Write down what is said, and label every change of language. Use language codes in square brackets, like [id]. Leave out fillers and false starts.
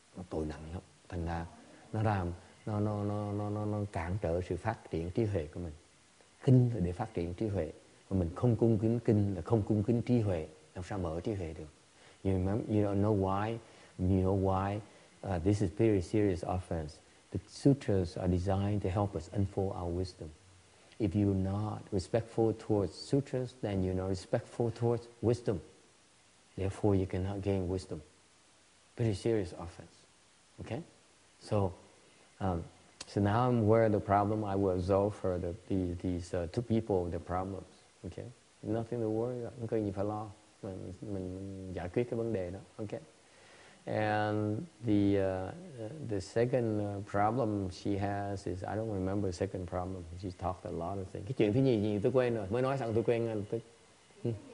[vi] Tội nặng lắm, thành ra nó cản trở sự phát triển trí huệ của mình. Kinh là để phát triển trí huệ, mà mình không cung kính kinh là không cung kính trí huệ, làm sao mở trí huệ được. [en] You know why this is very serious offense. The sutras are designed to help us unfold our wisdom. If you're not respectful towards sutras, then you're not respectful towards wisdom. Therefore you cannot gain wisdom. Very serious offense. Okay, so now I'm aware of the problem. I will resolve for these two people the problems. Okay, nothing to worry about. [vi] Không cần gì phải lo. Mình giải quyết cái vấn đề đó. [en] Okay, and the second problem she has is I don't remember the second problem. She talked a lot of things. [vi] Cái chuyện thứ nhì gì tôi quên rồi. Mới nói xong tôi quên ngay lập tức.